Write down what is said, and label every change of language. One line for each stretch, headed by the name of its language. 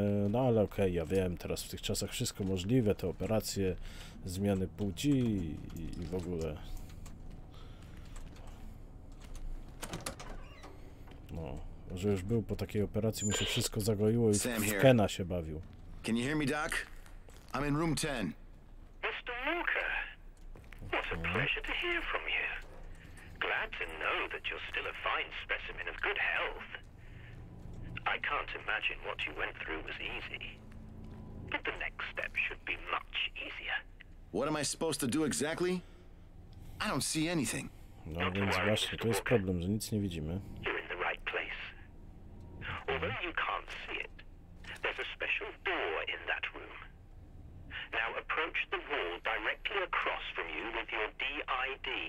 Polish: No ale okej, ja wiem, teraz w tych czasach wszystko możliwe, te operacje, zmiany płci i w ogóle. No, że już był po takiej operacji, mu się wszystko zagoiło i w Kena się bawił.
English: Can you hear me, Doc? I'm in room 10. Mr. Mooker, what a pleasure to hear from you. Glad to know that you're still a fine specimen of good health. I can't imagine what you went through was easy. But the next step should be much easier. What am I supposed to do exactly? I don't see anything.
Polish: No więc właśnie, to jest problem, że nic nie widzimy.
English: You're in the right place. Although you can't see it, there's a special door in that room. Now approach the wall directly across from you with your DID.